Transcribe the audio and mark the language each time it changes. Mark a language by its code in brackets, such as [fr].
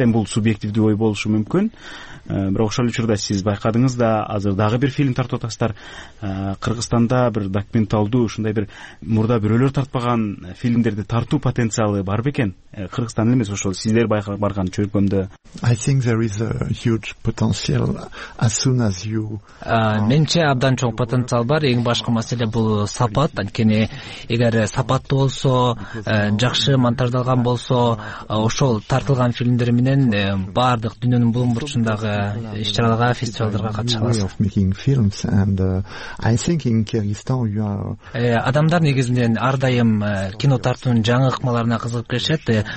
[ky] Эми бул субъективдүү ой болушу мүмкүн. Бирок ошол учурда сиз байкадыңыз да, азыр дагы бир фильм тартып атасыздар. Кыргызстанда бир документалдуу ушундай бир мурда бирөөлөр тартпаган фильмдерди тартуу потенциалы бар бекен? Кыргызстан эмес, ошол сиздер барган чөйкөмдө. [en] I think there is a huge potential as soon as you [ky] менче абдан чоң потенциал бар. Эң башкы маселе бул сапат. Анткени эгер сапаттуу болсо, жакшы монтаждалган болсо, ошол тартылган фильмдер менен баардык дүйнөнүн бул мурчундагы иш-чараларга, фестивалдарга катыша аласыз. Адамдар негизинен ар дайым кино тартуунун жаңы ыкмаларына кызыгып келишет.